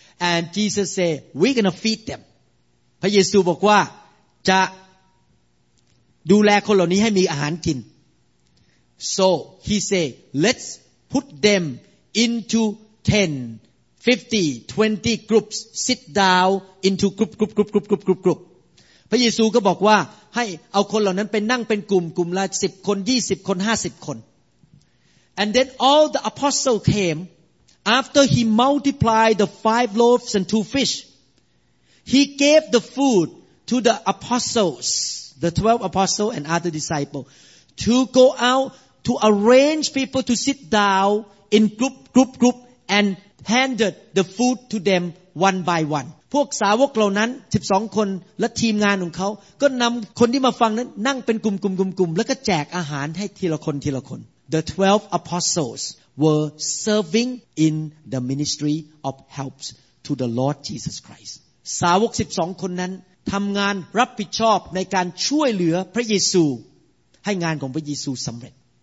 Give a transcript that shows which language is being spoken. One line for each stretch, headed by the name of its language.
English: and Jesus say we're gonna feed them
Thai: พระเยซูบอกว่าจะดูแลคนเหล่านี้ให้มีอาหารกิน
English: so he say let's put them into 10, 50, 20 groups sit down into group.
Thai: พระเยซูก็บอกว่าให้เอาคนเหล่านั้นไปนั่งเป็นกลุ่มกลุ่มละ10คน20คน50คน
English: And then all the apostles came after he multiplied the 5 loaves and 2 fish. He gave the food to the apostles, the 12 apostles and other disciples to go out to arrange people to sit down in group and handed the food to them one by one.
Thai: พวกสาวกเหล่านั้น12คนและทีมงานของเขาก็นำคนที่มาฟังนั้นนั่งเป็นกลุ่มๆๆๆแล้วก็แจกอาหารให้ทีละคนทีละคน
English: The 12 apostles were serving in the ministry of helps to the Lord Jesus Christ
Thai: สาวก12คนนั้นทำงานรับผิดชอบในการช่วยเหลือพระเยซูให้งานของพระเยซูสำเร็จ